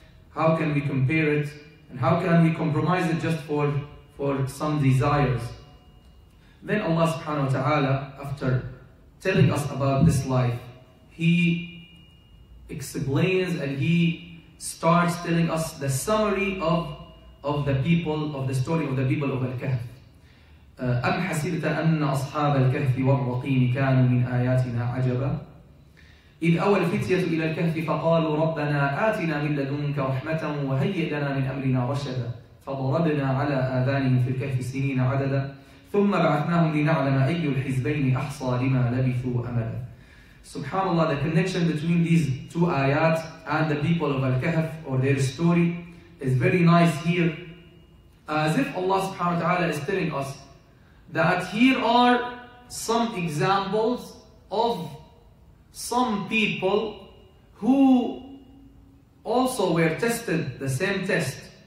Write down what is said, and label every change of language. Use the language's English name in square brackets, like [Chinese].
[English] How can we compare it and how can we compromise it just for some desires? Then Allah subhanahu wa ta'ala, after telling us about this life, He explains and He starts telling us the summary of the people, of the story of the people of Al-Kahf. [Arabic] أَمْ حَسِبْتَ أَنَّ أَصْحَابَ الْكَهْفِ وَالرَّقِيمِ كَانُوا مِنْ آيَاتِنَا عَجَبًا إِذْ أَوَى الْفِتْيَةُ إِلَى الْكَهْفِ فَقَالُوا رَبَّنَا آتِنَا مِنْ لَدُنْكَ رَحْمَةً وَهَيِّئْ لَنَا مِنْ أَمْرِنَا رَشَدًا فضربنا على آذانهم في الكهف سنين عددا ثم بعثناهم لنعلم أي الحزبين أحصى لما لبثوا أمدا. [English] Subhanallah, the connection between these two ayat and the people of Al-Kahf or their story is very nice here. As if Allah subhanahu wa ta'ala is telling us that here are some examples of some people who also were tested the same test.